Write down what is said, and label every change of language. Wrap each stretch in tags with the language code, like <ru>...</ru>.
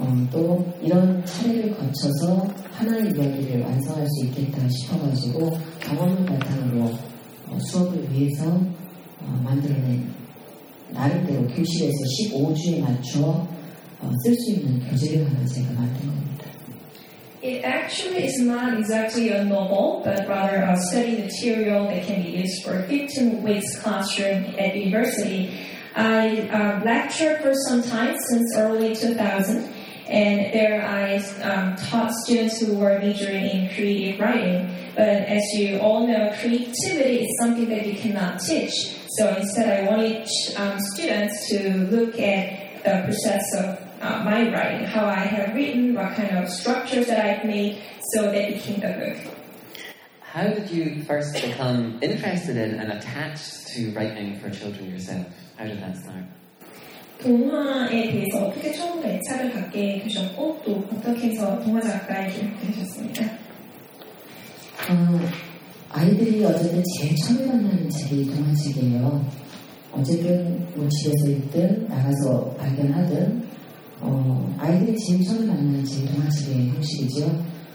<ko>또 이런 차례를 거쳐서 하나의 이야기를 완성할 수 있겠다 싶어가지고 경험을 바탕으로 수업을 위해서 만들어낸 나름대로 교실에서 15주에 맞춰 쓸 수 있는 교재를 하나 제가 만든 겁니다.</ko> <en>It actually is not exactly a novel, but rather a study material that can be used for 15 weeks classroom at university. I lectured for some time since early 2000, and there I taught students who were majoring in creative writing. But as you all know, creativity is something that you cannot teach. So instead, I wanted students to look at the process of my writing, how I have written, what kind of structures that I've made, so that it became a book. How did you first become interested in and attached to writing for children yourself? How did that start?</en> <ko>동화에 대해서 어떻게 처음부터 애착을 갖게 되셨고 또 어떻게 해서 동화 작가에 되셨습니까? 아이들이 어쨌든 제일 처음에 만나는 책이 동화책이에요. 어쨌든 뭐 집에서 읽든 나가서 발견하든 아이들이 제일 처음에 만나는 책이 동화책의 형식이죠.</ko>